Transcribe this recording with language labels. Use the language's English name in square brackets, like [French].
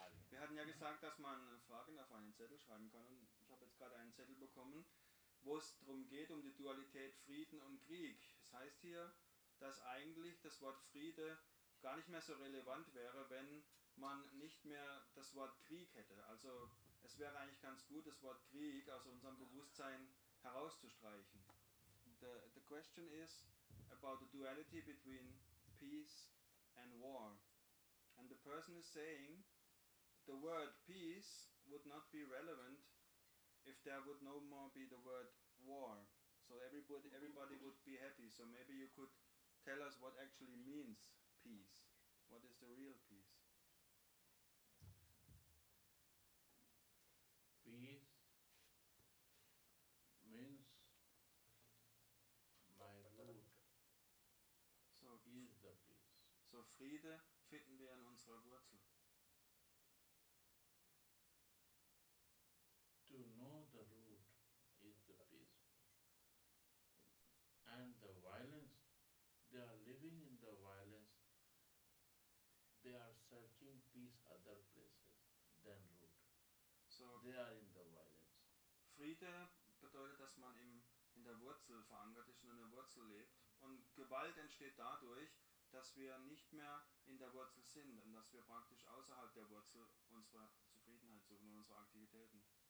[German] Wir hatten ja gesagt, dass man Fragen auf einen Zettel schreiben kann. Und ich habe jetzt gerade einen Zettel bekommen, wo es darum geht, um die Dualität Frieden und Krieg. Das heißt hier, dass eigentlich das Wort Friede gar nicht mehr so relevant wäre, wenn man nicht mehr das Wort Krieg hätte. Also es wäre eigentlich ganz gut, das Wort Krieg aus unserem Bewusstsein herauszustreichen. [English] The question is about the duality between peace and war. And the person is saying, the word peace would not be relevant if there would no more be the word war. So everybody would be happy. So maybe you could tell us what actually means peace. What is the real peace? Peace means my Lord. So is the peace. [German] So Friede finden wir in unserer Wurzel. [English] To know the root is the peace. And the violence, they are living in the violence, they are searching peace other places than root. So they are in the violence. [German] Friede bedeutet, dass man in der Wurzel verankert ist und in der Wurzel lebt. Und Gewalt entsteht dadurch, dass wir nicht mehr in der Wurzel sind und dass wir praktisch außerhalb der Wurzel unsere Zufriedenheit suchen und unsere Aktivitäten.